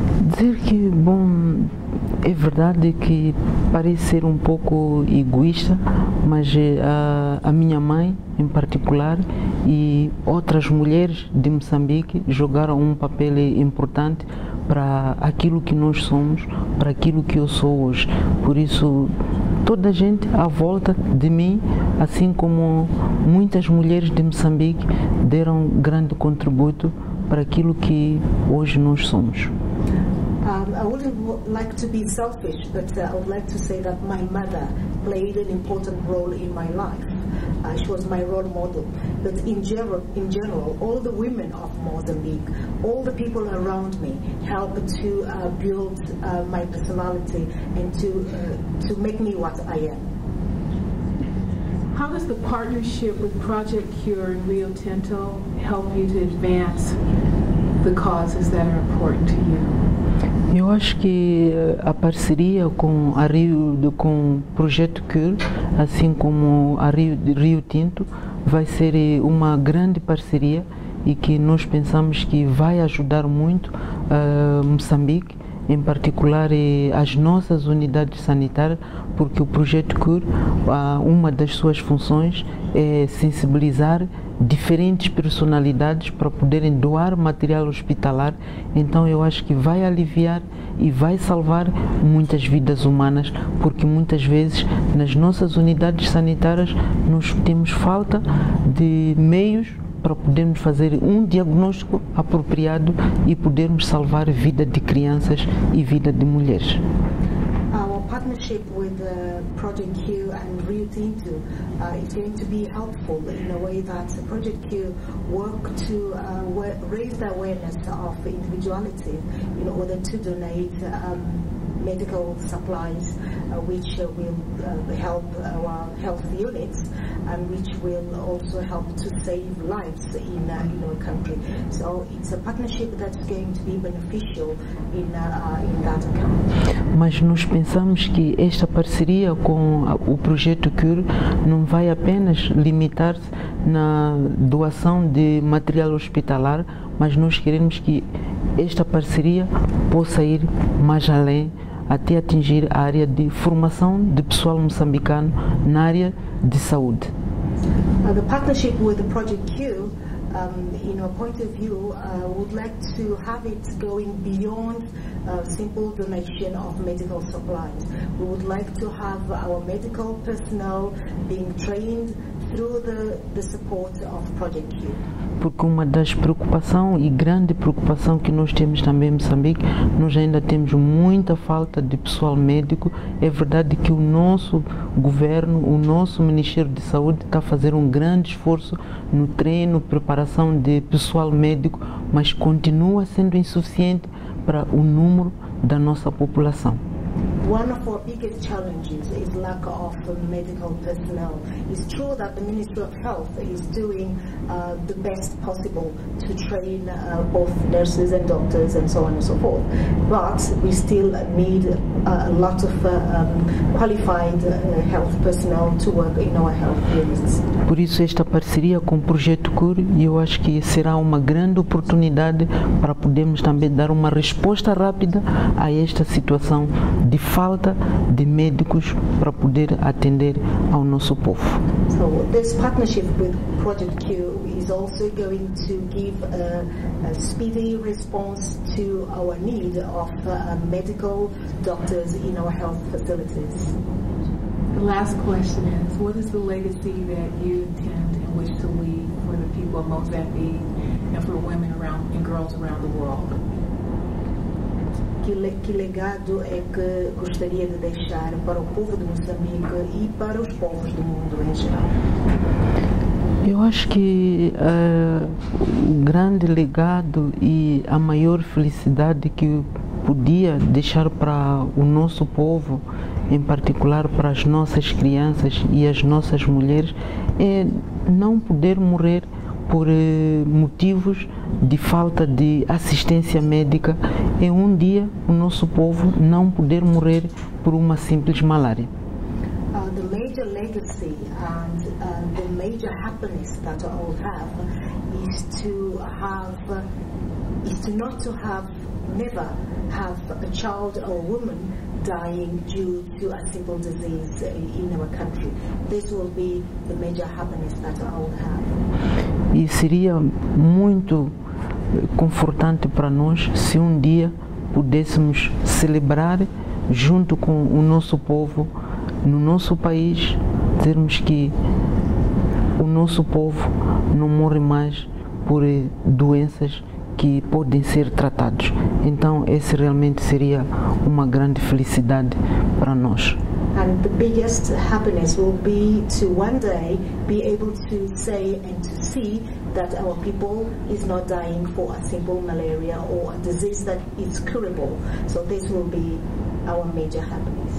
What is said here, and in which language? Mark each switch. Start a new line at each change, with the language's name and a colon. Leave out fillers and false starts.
Portuguese: Dizer que, bom, é verdade que parece ser um pouco egoísta, mas a minha mãe, em particular, e outras mulheres de Moçambique jogaram um papel importante para aquilo que nós somos, para aquilo que eu sou hoje. Por isso, toda a gente à volta de mim, assim como muitas mulheres de Moçambique, deram grande contributo para aquilo que hoje nós somos.
English: I wouldn't like to be selfish, but I would like to say that my mother played an important role in my life. She was my role model. But in general, all the women of Mozambique, all the people around me, helped to build my personality and to make me what I am. How does the partnership with Project Cure and Rio Tinto help you to advance the causes that are important to you?
Portuguese: Eu acho que a parceria com a Rio, com o Projeto Cure, assim como a Rio Tinto, vai ser uma grande parceria e que nós pensamos que vai ajudar muito a Moçambique, em particular as nossas unidades sanitárias, porque o Projeto Cure, uma das suas funções é sensibilizar diferentes personalidades para poderem doar material hospitalar. Então eu acho que vai aliviar e vai salvar muitas vidas humanas, porque muitas vezes nas nossas unidades sanitárias nós temos falta de meios para podermos fazer um diagnóstico apropriado e podermos salvar vida de crianças e vida de mulheres.
English: Partnership with Project Q and Rio Tinto is going to be helpful in a way that Project Q work to raise the awareness of individuality in order to donate medical supplies which will help our health units and which will also help to save lives in our country. So it's a partnership that's going to be beneficial in that account.
Portuguese: Mas nós pensamos que esta parceria com o Projeto Cure não vai apenas limitar-se na doação de material hospitalar, mas nós queremos que esta parceria possa ir mais além, até atingir a área de formação de pessoal moçambicano na área de saúde.
English: The partnership with the Project Cure, in our point of view, would like to have it going beyond simple donation of medical supplies. We would like to have our medical personnel being trained, through the support of Project Q.
Portuguese: Porque uma das preocupações e grande preocupação que nós temos também em Moçambique, nós ainda temos muita falta de pessoal médico. É verdade que o nosso governo, o nosso Ministério de Saúde está a fazer um grande esforço no treino, preparação de pessoal médico, mas continua sendo insuficiente para o número da nossa população.
English: One of our biggest challenges is lack of medical personnel. It's true that the Ministry of Health is doing the best possible to train both nurses and doctors and so on and so forth, but we still need a lot of qualified health personnel to work in our health units.
Portuguese: Por isso esta parceria com o Projeto Cure, eu acho que será uma grande oportunidade para podermos também dar uma resposta rápida a esta situação de falta de médicos para poder atender ao nosso povo.
English: So this partnership with Project Q is also going to give a speedy response to our need of medical doctors in our health facilities. The last question is, what is the legacy that you intend and wish to leave for the people of Mozambique and for women around and girls around the world?
Portuguese: Que legado é que gostaria de deixar para o povo de Moçambique e para os povos do mundo em geral? Eu acho que o grande legado e a maior felicidade que podia deixar para o nosso povo, em particular para as nossas crianças e as nossas mulheres, é não poder morrer por motivos de falta de assistência médica, e um dia o nosso povo não poder morrer por uma simples malária.
English: The major legacy and the major happiness that I will have is to have is to not to have never have a child or woman dying due to a simple disease in our country. This will be the major happiness that I will have.
Portuguese: E seria muito confortante para nós se um dia pudéssemos celebrar junto com o nosso povo, no nosso país, dizermos que o nosso povo não morre mais por doenças que podem ser tratadas. Então, esse realmente seria uma grande felicidade para nós.
English: And the biggest happiness will be to one day be able to say and to see that our people is not dying for a simple malaria or a disease that is curable. So this will be our major happiness.